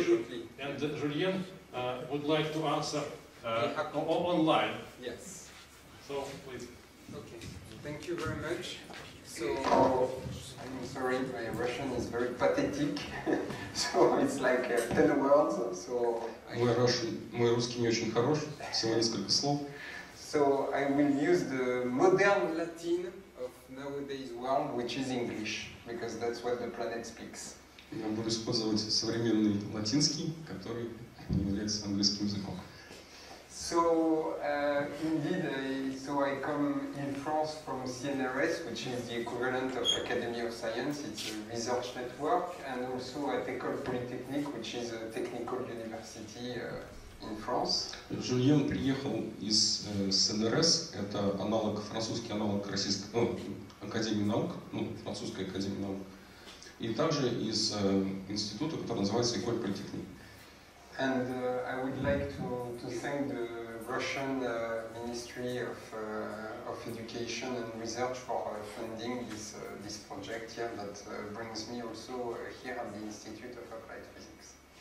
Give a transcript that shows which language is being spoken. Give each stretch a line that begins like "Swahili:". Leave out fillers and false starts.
English: Absolutely. And Julien would like to answer online. Yes. So, please. Okay. Thank you very much. So, I'm sorry, my Russian is very pathetic. So, it's like 10 words. So,
Russian: мой русский не очень хорош, всего несколько слов.
English: So, I will use the modern Latin of nowadays world, which is English, because that's what the planet speaks.
Russian: Я буду использовать современный латинский, который является английским языком.
English: So, indeed, I come in France from CNRS, which is the equivalent of Academy of Science. It's a research network, and also at Ecole Polytechnique, which is a technical university in France.
Russian: Жульен приехал из CNRS, это аналог, французский аналог российской, Академии наук, французской Академии наук, и также из института, который называется Ecole Polytechnique.
English: And I would like to thank the Russian Ministry of Education and Research for funding this project here that brings me also here at the Institute of Applied Physics.